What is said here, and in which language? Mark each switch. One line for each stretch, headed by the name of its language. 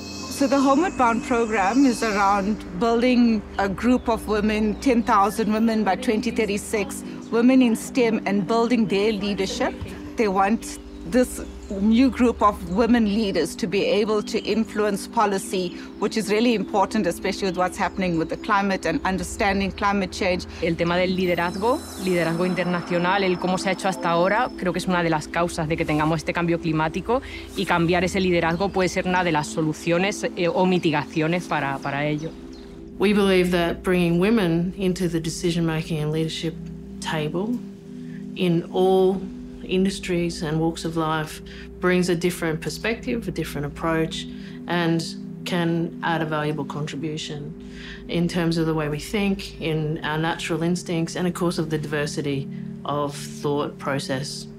English: So the Homeward Bound program is around building a group of women, 10,000 women by 2036, women in STEM, and building their leadership. They want this new group of women leaders to be able to influence policy, which is really important, especially with what's happening with the climate and understanding climate change.
Spanish: El tema del liderazgo, liderazgo internacional, el cómo se ha hecho hasta ahora, creo que es una de las causas de que tengamos este cambio climático, y cambiar ese liderazgo puede ser una de las soluciones o mitigaciones para ello.
English: We believe that bringing women into the decision-making and leadership table in all industries and walks of life brings a different perspective, a different approach, and can add a valuable contribution in terms of the way we think, in our natural instincts, and of course of the diversity of thought process.